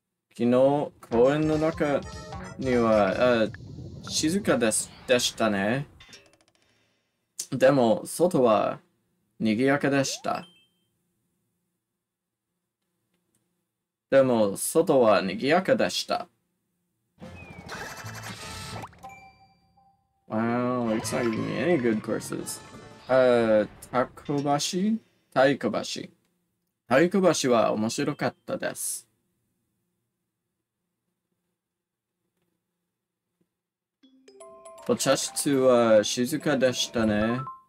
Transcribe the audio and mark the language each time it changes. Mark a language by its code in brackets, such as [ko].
[ja] 昨日、公園の中には、静かでしたね。でも、外は、賑やかでした。でも、外は賑やかでした。 [en] Wow, it's not giving me any good courses. [ja] 太鼓橋。太鼓橋は面白かったです。お茶室は静かでしたね。